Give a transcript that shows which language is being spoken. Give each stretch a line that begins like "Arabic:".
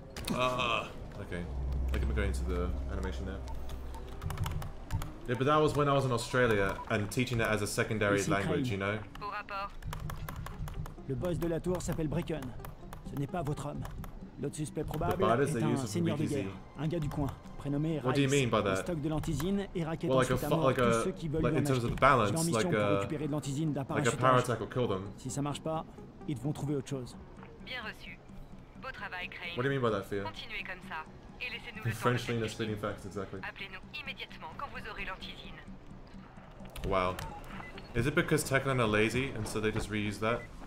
English: Okay. Like, I'm going into the animation there. Yeah, but that was when I was in Australia and teaching it as a secondary language, you know?
French: Le boss de la tour s'appelle Bricken. Ce n'est pas votre homme. L'autre suspect probable est un seigneur de guerre, un gars du coin, prénommé Rice.
English: What do you mean by that?
French: Stock de l'antizine et racket ensuite à mort tous ceux qui veulent en acheter. Leur mission pour récupérer de l'antizine d'un parachute. Si ça marche pas, ils vont trouver autre chose. Bien reçu.
English: What do you mean by that, Fia?
French: Continuez comme ça et laissez-nous le temps.
English: French lean is spinning facts, exactly.
French: Appelez-nous immédiatement quand vous aurez l'antizine.
English: Wow. Is it because Techland are lazy and so they just reuse that?